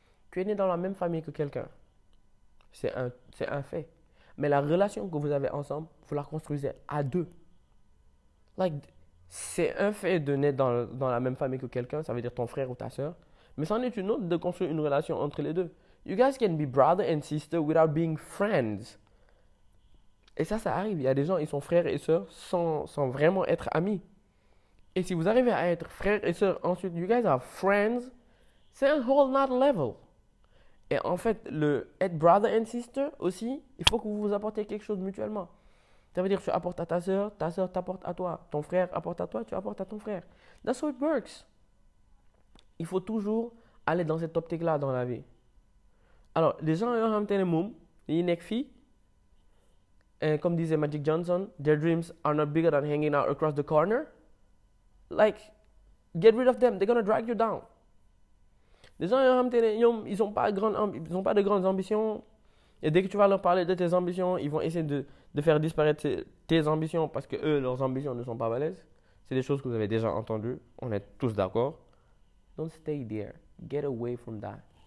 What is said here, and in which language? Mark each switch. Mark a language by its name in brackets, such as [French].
[French] Tu es né dans la même famille que quelqu'un. C'est un fait. Mais la relation que vous avez ensemble, vous la construisez à deux. C'est un fait de naître dans la même famille que quelqu'un, ça veut dire ton frère ou ta soeur. Mais c'en est une autre de construire une relation entre les deux. [English] You guys can be brother and sister without being friends. [French] Et ça arrive. Il y a des gens, ils sont frères et sœurs sans vraiment être amis. Et si vous arrivez à être frères et sœurs ensuite, [English] you guys are friends, [French] c'est un [English] whole nother level. [French] Et en fait, le être [English] brother and sister [French] aussi, il faut que vous vous apportiez quelque chose mutuellement. Ça veut dire que tu apportes à ta sœur t'apporte à toi, ton frère apporte à toi, tu apportes à ton frère. [English] That's how it works. [French] Il faut toujours aller dans cette optique-là dans la vie. Alors, les gens ont un moum, ils n'ont fille. Et comme disait [English] Magic Johnson, their dreams are not bigger than hanging out across the corner. Get rid of them, they're gonna drag you down. [French] Les gens, ils ont pas de grandes ambitions. Et dès que tu vas leur parler de tes ambitions, ils vont essayer de faire disparaître tes ambitions parce que eux, leurs ambitions ne sont pas valables. C'est des choses que vous avez déjà entendues. On est tous d'accord. [English] Don't stay there. Get away from that.